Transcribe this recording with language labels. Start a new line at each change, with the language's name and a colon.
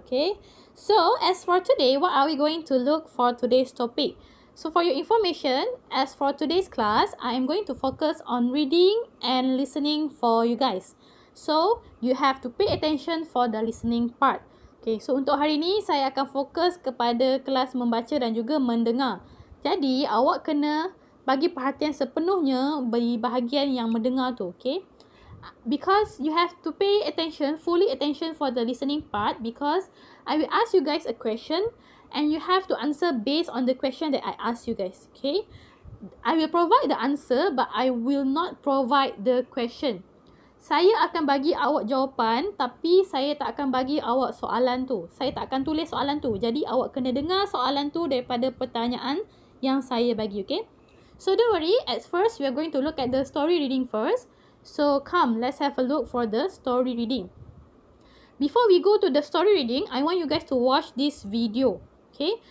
English: Okay, so as for today, what are we going to look for today's topic? So for your information, as for today's class, I am going to focus on reading and listening for you guys. So you have to pay attention for the listening part.
Malay: Okay, so untuk hari ini, saya akan fokus kepada kelas membaca dan juga mendengar. Jadi, awak kena bagi perhatian sepenuhnya bagi bahagian yang mendengar tu, okay?
English: Because you have to pay attention, fully attention for the listening part because I will ask you guys a question and you have to answer based on the question that I ask you guys, okay? I will provide the answer but I will not provide the question.
Malay: Saya akan bagi awak jawapan tapi saya tak akan bagi awak soalan tu. Saya tak akan tulis soalan tu. Jadi, awak kena dengar soalan tu daripada pertanyaan yang saya bagi, okay?
English: So don't worry, at first we are going to look at the story reading first. So come, let's have a look for the story reading. Before we go to the story reading, I want you guys to watch this video, okay?